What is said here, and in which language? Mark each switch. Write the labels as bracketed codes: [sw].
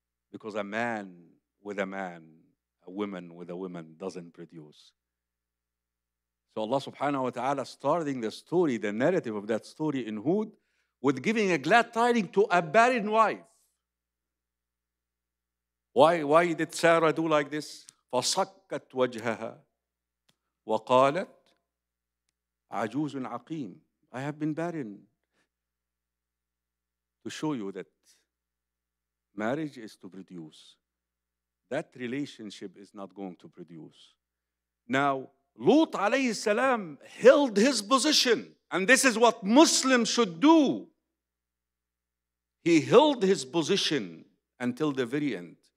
[en] Because a man with a man, a woman with a woman, doesn't produce. So Allah subhanahu wa ta'ala starting the story, the narrative of that story in Hud, with giving a glad tidings to a barren wife. Why did Sarah do like this? [ar] فَصَكَّتْ وَجْهَهَا وَقَالَتْ عَجُوزٌ عَقِيمٌ. [en] I have been barren. To show you that marriage is to produce. That relationship is not going to produce. Now, Lut alayhi salam held his position. And this is what Muslims should do. He held his position until the very end.